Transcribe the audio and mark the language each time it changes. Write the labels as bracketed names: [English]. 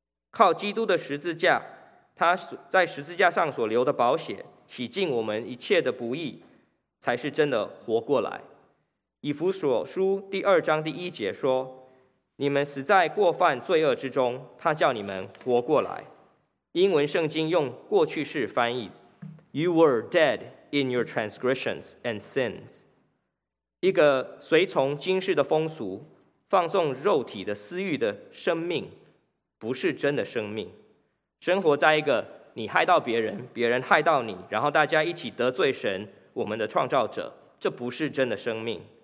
[Chinese] 靠基督的十字架，他在十字架上所流的宝血洗净我们一切的不义，才是真的活过来。以弗所书第二章第一节说，你们死在过犯罪恶之中，他叫你们活过来。英文圣经用过去式翻译， [English] You were dead in your transgressions and sins。 [Chinese] 一个随从今世的风俗，放纵肉体的私欲的生命，不是真的生命。生活在一个你害到别人，别人害到你，然后大家一起得罪神，我们的创造者，这不是真的生命。